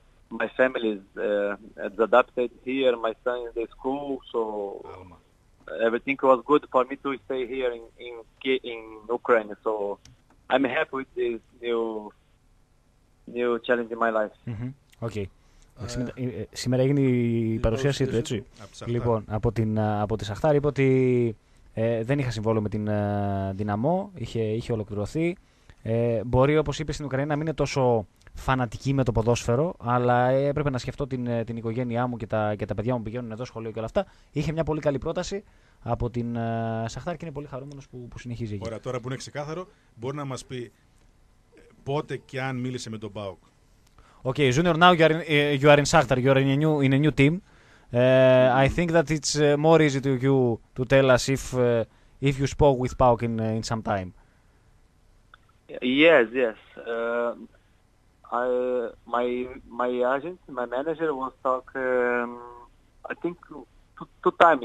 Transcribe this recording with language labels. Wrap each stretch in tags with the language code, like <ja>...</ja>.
<en>My family is adapted here, my son is in the school, so everything was good for me to stay here in Ukraine. So I'm happy with this new challenge in my life. Mm-hmm. Okay.</en> <el>Σήμερα έγινε η παρουσίασή του, έτσι. Λοιπόν, από τη Σαχτάρ είπε ότι δεν είχα συμβόλαιο με την Δυναμό, είχε ολοκληρωθεί. Μπορεί, όπως είπε, στην Ουκρανία να μην είναι τόσο φανατική με το ποδόσφαιρο, αλλά έπρεπε να σκεφτώ την οικογένειά μου και τα παιδιά μου που πηγαίνουν εδώ σχολείο και όλα αυτά. Είχε μια πολύ καλή πρόταση από την Σαχτάρ και είναι πολύ χαρούμενος που συνεχίζει. Ωραία, τώρα που είναι ξεκάθαρο, μπορεί να μας πει πότε και αν μίλησε με τον ΠΑΟΚ.</el> <en>Okay, Junior, now you are in Shakhtar, you are in a new team. I think that it's more easy to you to tell us if you spoke with Pauk in some time. Yes. My agent, my manager was talk I think two times.</en>